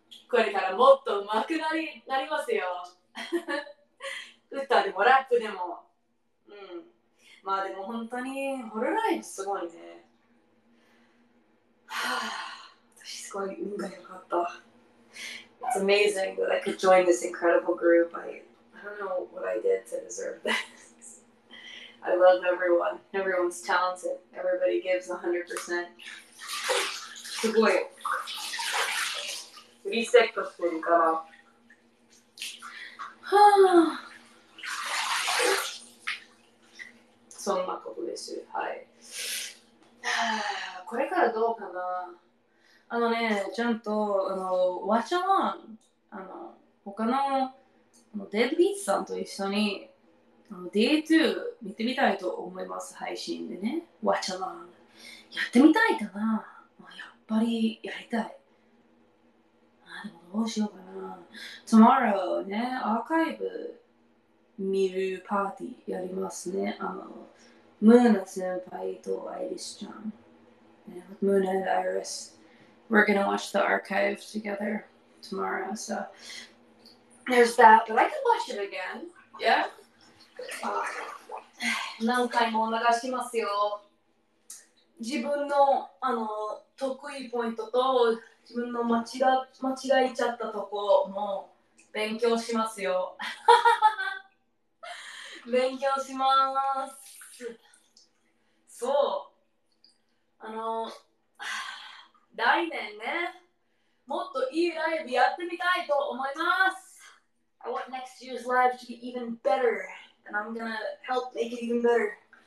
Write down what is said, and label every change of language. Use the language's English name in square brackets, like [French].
[Japanese] これからもっと上手くなりますよ歌でもラップでも、うん、まあでも本当にホロライブすごいね。はぁ、あ、私すごい運が良かった。 [English] It's amazing that I could join this incredible group. I don't know what I did to deserve this. I love everyone. Everyone's talented. Everybody gives 100%. [Japanese] すごい。リセットしてるから。はぁ、あ。そんなことです。はい。これからどうかな。あのね、ちゃんとあのワチャマン、あの他のあのデッドビーツさんと一緒にあの Day 2見てみたいと思います。配信でね、ワチャマンやってみたいかな。まあ、やっぱりやりたい。あ、でもどうしようかな。 [English] Tomorrow [Japanese] ね、アーカイブ見るパーティーやりますね。あのムーナ先輩とアイリスちゃん。 [English] Yeah, Moon and Iris. We're gonna watch the archive together tomorrow, so there's that. But I could watch it again. Yeah. [Japanese] 何回も流しますよ。自分のあの得意ポイントと自分の間違いちゃったとこも勉強しますよ。勉強します。そう。あの、来年ね、もっといいライブやってみたいと思います。 [English] I want next year's live to be even better, and I'm gonna help make it even better.